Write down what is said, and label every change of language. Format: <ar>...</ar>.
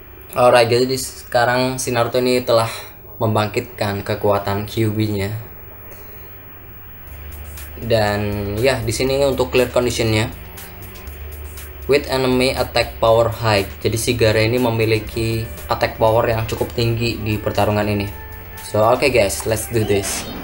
<id>Alright, jadi sekarang si Naruto ini telah membangkitkan kekuatan Kyuubi-nya. Dan ya, di sini untuk clear condition-nya.</id> <en>With enemy attack power high.</en> <id>Jadi si Gaara ini memiliki attack power yang cukup tinggi di pertarungan ini.</id> <en>So, okay guys, let's do this.</en>